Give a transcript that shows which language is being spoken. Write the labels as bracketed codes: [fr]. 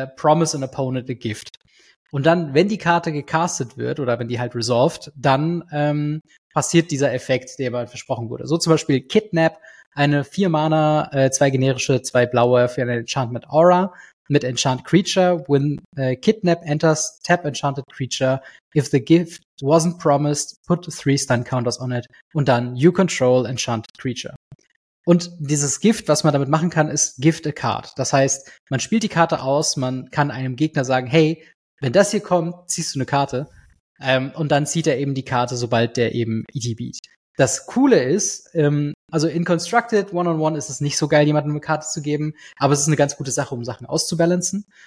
[en] Promise an opponent a gift. [de] Und dann, wenn die Karte gecastet wird oder wenn die halt resolved, dann passiert dieser Effekt, der mal versprochen wurde. So zum Beispiel Kidnap, eine 4-Mana, 2 generische, 2 blaue für eine Enchantment Aura mit Enchant Creature. [en] When Kidnap enters, tap Enchanted Creature. If the gift wasn't promised, put 3 stun counters on it. [de] Und dann [en] you control Enchanted Creature. [de] Und dieses Gift, was man damit machen kann, ist Gift a Card. Das heißt, man spielt die Karte aus, man kann einem Gegner sagen, hey, wenn das hier kommt, ziehst du eine Karte. Und dann zieht er eben die Karte, sobald der eben ETB'd. Das Coole ist, also in Constructed One-on-One ist es nicht so geil, jemandem eine Karte zu geben, aber es ist eine ganz gute Sache, um Sachen auszubalancen.